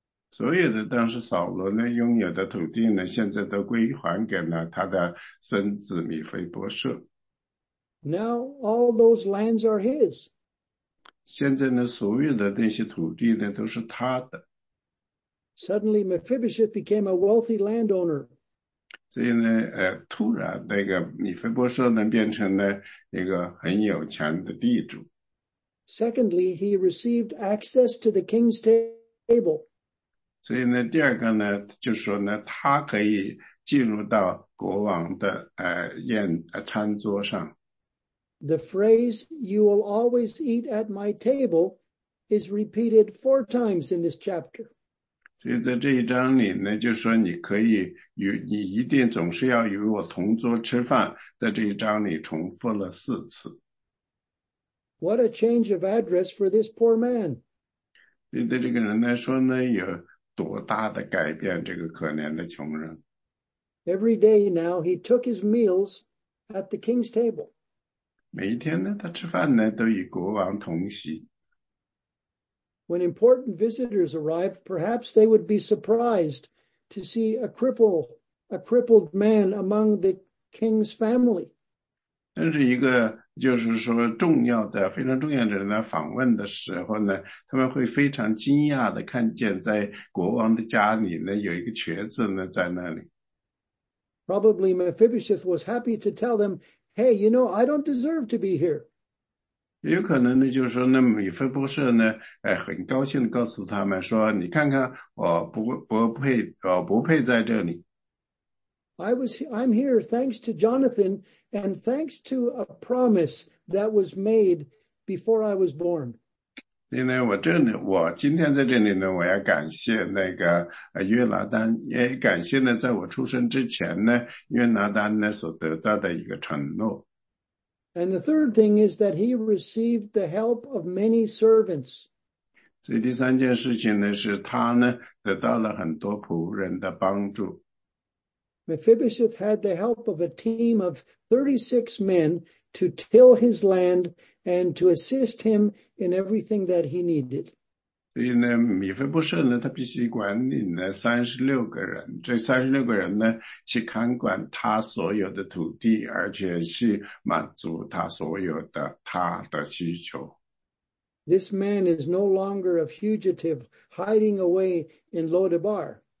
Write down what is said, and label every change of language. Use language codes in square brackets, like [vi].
[zh] 所有的当时扫罗呢拥有的土地呢，现在都归还给了他的孙子米菲波设。 [en] Now all those lands are his. [zh] 现在呢，所有的那些土地呢，都是他的。 [en] Suddenly, Mephibosheth became a wealthy landowner. [zh] 所以呢，突然那个米菲波设呢，变成了一个很有钱的地主。 [en] Secondly, he received access to the king's table. [zh] 所以呢，第二个呢，就是说呢，他可以进入到国王的餐桌上。 [en] The phrase "You will always eat at my table" is repeated four times in this chapter. [zh] 所以在这一章里呢，就说你可以与你一定总是要与我同桌吃饭，在这一章里重复了四次。 [en] What a change of address for this poor man！ [zh] 所以对这个人来说呢，有多大的改变？这个可怜的穷人。 [en] Every day now he took his meals at the king's table。 [zh] 每一天呢，他吃饭呢都与国王同席。 [en] When important visitors arrived, perhaps they would be surprised to see a crippled man among the king's family. [zh] 但是一个就是说重要的非常重要的人来访问的时候呢，他们会非常惊讶的看见在国王的家里呢有一个瘸子呢在那里。 [en] Probably Mephibosheth was happy to tell them, "Hey, you know, I don't deserve to be here." [zh] 也有可能呢，就是说那米菲波设呢，很高兴地告诉他们说，你看看，我不配在这里。 [en] I'm here thanks to Jonathan and thanks to a promise that was made before I was born. [zh] 所以呢，我今天在这里呢，我要感谢那个约拿丹，也感谢呢，在我出生之前呢，约拿丹呢所得到的一个承诺。 [en] And the third thing is that he received the help of many servants. [zh] 所以第三件事情呢，是他呢得到了很多仆人的帮助。 [en] Mephibosheth had the help of a team of 36 men to till his land and to assist him in everything that he needed. [zh] 所以呢，米菲波设呢，他必须管理呢36个人，这36个人呢，去看管他所有的土地，而且去满足他所有的他的需求。 [en] This man is no longer a fugitive hiding away in Lodabar.